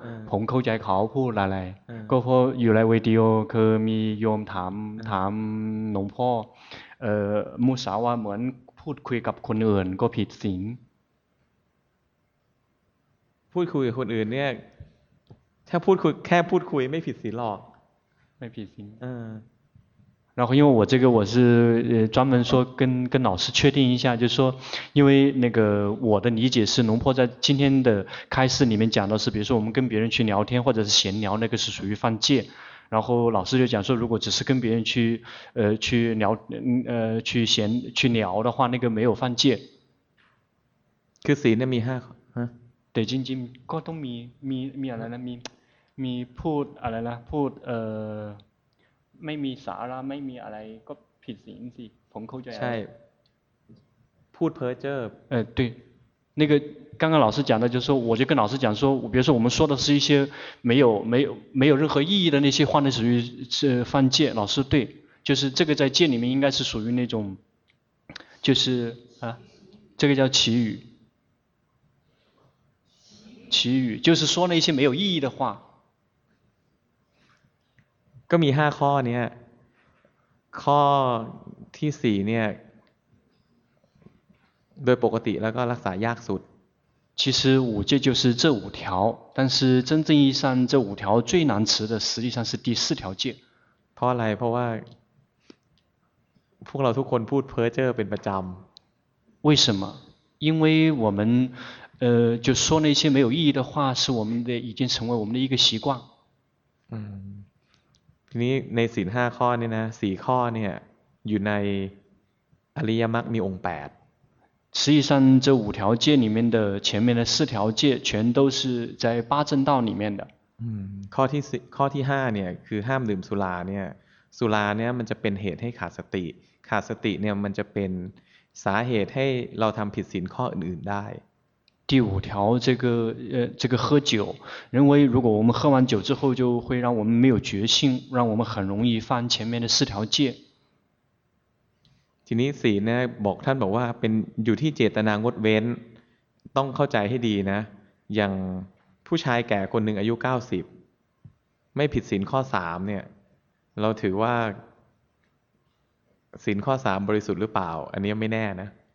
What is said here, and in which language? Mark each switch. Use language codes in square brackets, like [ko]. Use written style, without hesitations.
[th] ผมเข้าใจเขาพูดอะไรก็เพราะอยู่ในวิดีโอคือมีโยมถามหลวงพ่อมุสาว่าเหมือนพูดคุยกับคนอื่นก็ผิดศีล พูดคุยกับคนอื่นเนี่ยถ้าพูดคุยแค่พูดคุยไม่ผิดศีลหรอก ไม่ผิดศีล [zh] 然后因为我这个我是专门说跟老师确定一下，就是说，因为那个我的理解是，龙婆在今天的开示里面讲的是，比如说我们跟别人去聊天或者是闲聊，那个是属于犯戒。然后老师就讲说，如果只是跟别人去聊的话，那个没有犯戒。 [th] คือศีลมีห้า แต่จริงจริงก็ต้องมีอะไรนะมีพูดอะไรนะพูดไม่มีสาระไม่มีอะไรก็ผิดศีลสิผมเข้าใจ ใช่พูดเพ้อเจ้อ [zh] 对那个刚刚老师讲的就是说我就跟老师讲说比如说我们说的是一些没有任何意义的那些话那属于是犯戒老师对就是这个在戒里面应该是属于那种就是啊这个叫绮语就是说那些没有意义的话 [th] ก็มีห้าข้อเนี่ยข้อที่สี่เนี่ยโดยปกติแล้วก็รักษายากสุด [zh] 其实五戒就是这五条但是真正意义上这五条最难持的实际上是第四条戒 [th] เพราะอะไรเพราะว่าพวกเราทุกคนพูดเพ้อเจ้อเป็นประจำ [zh] 为什么因为我们就说那些没有意义的话是我们的已经成为我们的一个习惯 [th] ทีนี้ในศีล5ข้อนี่นะ4ข้อเนี่ยอยู่ในอริยมรรคมีองค์8 [zh] 实际上这五条戒里面的前面的四条戒全都是在八正道里面的 [th] ข้อที่5เนี่ยคือห้ามดื่มสุราเนี่ยสุราเนี่ยมันจะเป็นเหตุให้ขาดสติขาดสติเนี่ยมันจะเป็นสาเหตุให้เราทำผิดศีลข้ออื่นๆได้ [zh] 第五条这个喝酒认为如果我们喝完酒之后就会让我们没有决心让我们很容易犯前面的四条戒 [th] ทีนี้ศีลเนี่ยบอกท่านบอกว่าเป็นอยู่ที่เจตนางดเว้นต้องเข้าใจให้ดีนะอย่างผู้ชายแก่คนหนึ่งอายุ90ไม่ผิดศีลข้อ3เนี่ยเราถือว่าศีลข้อ3บริสุทธิ์หรือเปล่าอันนี้ไม่แน่นะ